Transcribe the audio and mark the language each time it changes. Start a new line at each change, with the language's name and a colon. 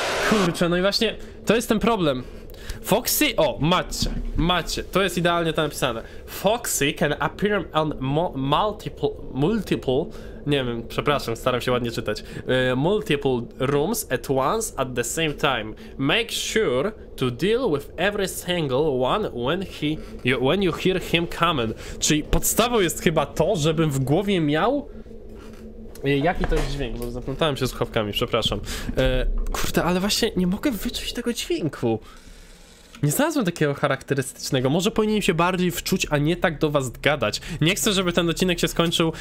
Polish: Kurczę, no i właśnie to jest ten problem. Foxy, o, macie, to jest idealnie tam napisane.
English: Foxy can appear on multiple,
Polish: nie wiem, przepraszam, staram się ładnie czytać,
English: multiple rooms at once at the same time. Make sure to deal with every single one when you hear him coming.
Polish: Czyli podstawą jest chyba to, żebym w głowie miał... Jaki to jest dźwięk, bo zaplątałem się słuchawkami, przepraszam. Kurde, ale właśnie nie mogę wyczuć tego dźwięku. Nie znalazłem takiego charakterystycznego. Może powinienem się bardziej wczuć, a nie tak do was gadać. Nie chcę, żeby ten odcinek się skończył.